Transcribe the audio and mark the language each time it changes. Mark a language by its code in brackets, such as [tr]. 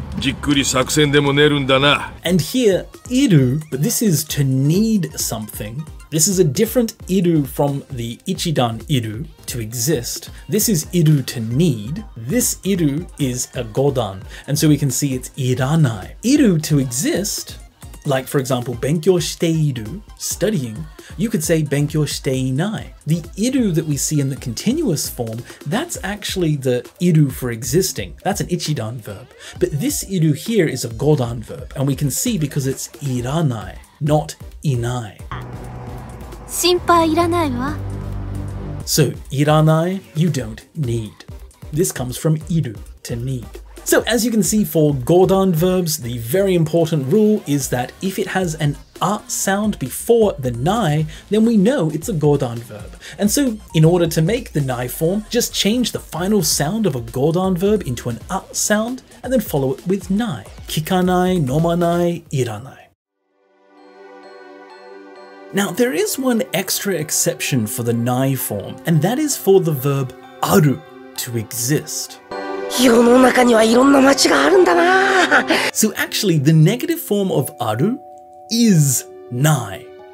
[ja] 俺は今夜はもう飲まない。じっくり作戦でも寝るんだな. [en] And here, iru, but this is to need something. This is a different iru from the ichidan iru, to exist. This is iru to need. This iru is a godan, and so we can see it's iranai. Iru to exist, like for example, benkyou shiteiru, studying, you could say benkyou shiteinai. The iru that we see in the continuous form, that's actually the iru for existing. That's an ichidan verb. But this iru here is a godan verb, and we can see because it's iranai, not inai. [ja] 心配いらないわ. [en] So, いらない, you don't need. This comes from いる, to need. So, as you can see, for gordan verbs, the very important rule is that if it has an a sound before the nai, then we know it's a gordan verb. And so, in order to make the nai form, just change the final sound of a gordan verb into an a sound, and then follow it with nai. [ja] 聞かない, 飲まない, いらない. [en] Now, there is one extra exception for the nai form, and that is for the verb aru, to exist. So actually, the negative form of aru is nai.